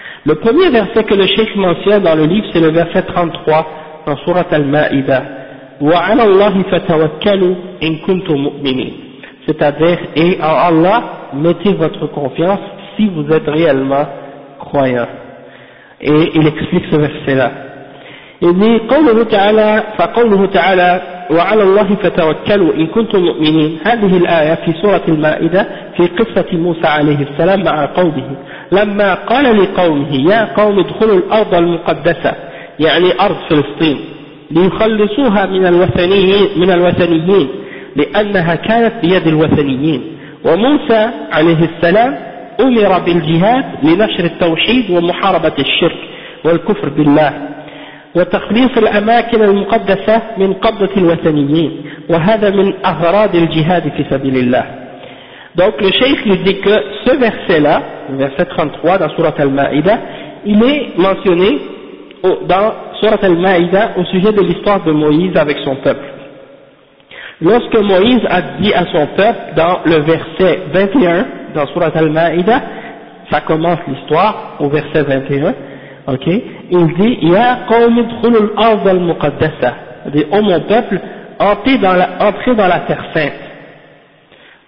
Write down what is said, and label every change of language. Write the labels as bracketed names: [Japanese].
[French] Le premier verset que le cheikh mentionne dans le livre, c'est le verset 33 dans sourate Al-Ma'ida. [Arabic] وَعَلَى اللَّهِ فَتَوَكَّلُوا إِن كُنْتُمْ مُؤْمِنِينَ. [French] C'est-à-dire, et en Allah, mettez votre confiance si vous êtes réellement croyant. Et il explique ce verset-là. Il dit, [Arabic] فَقَوْلُهُ تَعَلَى وَعَلَى اللَّهِ فَتَوَكَّلُوا إِن كُنْتُمْ مُؤْمِنِينَ. هذه الآية في سورة المائدة في قصة موسى عليه السلام مع قومه. لما قال لقومه يا قوم ادخلوا الأرض المقدسة يعني أرض فلسطين ليخلصوها من الوثنيين لأنها كانت بيد الوثنيين وموسى عليه السلام أمر بالجهاد لنشر التوحيد ومحاربة الشرك والكفر بالله وتخليص الأماكن المقدسة من قبضة الوثنيين وهذا من أغراض الجهاد في سبيل الله. [French] Donc le cheikh lui dit que ce verset-là, verset 33 dans Sourate Al-Ma'ida, il est mentionné dans Sourate Al-Ma'ida au sujet de l'histoire de Moïse avec son peuple. Lorsque Moïse a dit à son peuple dans le verset 21 dans Sourate Al-Ma'ida, ça commence l'histoire au verset 21, ok, il dit « [Arabic] Ya qawmi dkhulu al-ard al-muqaddasa [French] » c'est-à-dire « Oh mon peuple, entrez dans la terre sainte ».